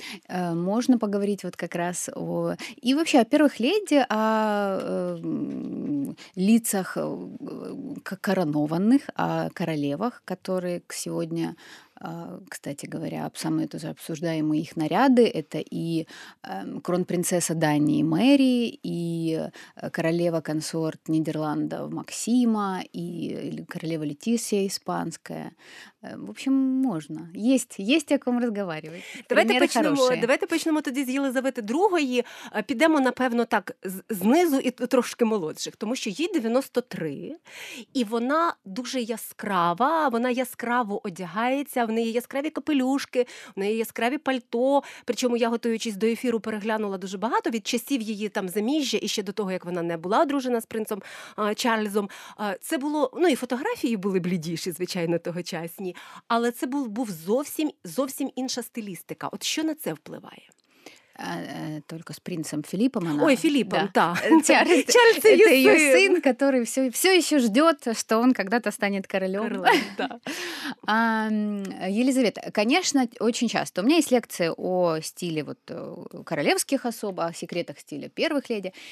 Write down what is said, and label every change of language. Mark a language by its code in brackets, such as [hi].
[ru] Можно поговорить вот как раз о... И вообще о первых леди, о лицах коронованных, о королевах, которые сегодня, кстати говоря, самые тоже обсуждаемые их наряды, это и кронпринцесса Дании Мэри, и королева-консорт Нидерландов Максима, и королева Летисия испанская. В общем, можно. Есть о ком разговаривать. [uk] Давайте почнемо тоді з Єлизавети II. Підемо, напевно, так, знизу і трошки молодших, тому що їй 93, і вона дуже яскрава, вона яскраво одягається, в неї яскраві капелюшки, в неї яскраві пальто, причому я, готуючись до ефіру, переглянула дуже багато від часів її там заміжжя і ще до того, як вона не була одружена з принцем Чарльзом. Це було, ну і фотографії були блідіші, звичайно, того часу. Але це був зовсім інша стилістика. От що на це впливає? [ru] Только с принцем Филиппом она... Ой, Филиппом, да. Чарльз — это ее сын, который все еще ждет, что он когда-то станет королем. Елизавета, конечно, очень часто. У меня есть лекция о стиле королевских особ, о секретах стиля первых леди.